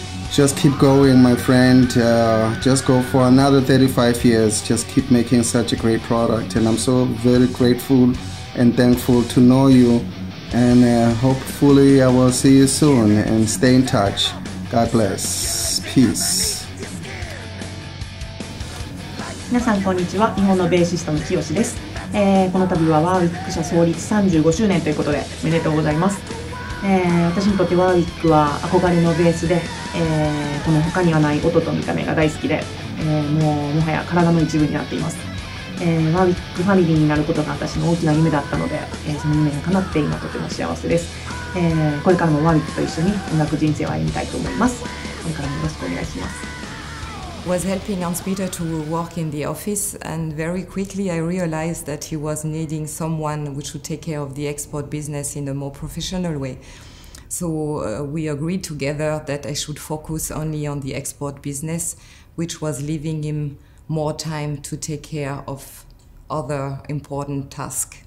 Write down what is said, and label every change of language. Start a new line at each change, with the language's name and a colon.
English: Just keep going, my friend. Just go for another 35 years. Just keep making such a great product. And I'm so very grateful and thankful to know you. And hopefully I will see you soon and stay in touch. God bless. Peace.
Japanese: 皆さんこんにちは、日本のベーシストの清です。この度はワーウィック社創立35周年ということでおめでとうございます。私にとってワーウィックは憧れのベースで、この他にはない音と見た目が大好きで、もうもはや体の一部になっています。ワーウィックファミリーになることが私の大きな夢だったので、その夢が叶って今とても幸せです。これからもワーウィックと一緒に音楽人生を歩みたいと思います。これからもよろしくお願いします。
English: Was helping Hans-Peter to walk in the office, and very quickly I realized that he was needing someone which would take care of the export business in a more professional way. So we agreed together that I should focus only on the export business, which was leaving him more time to take care of other important tasks.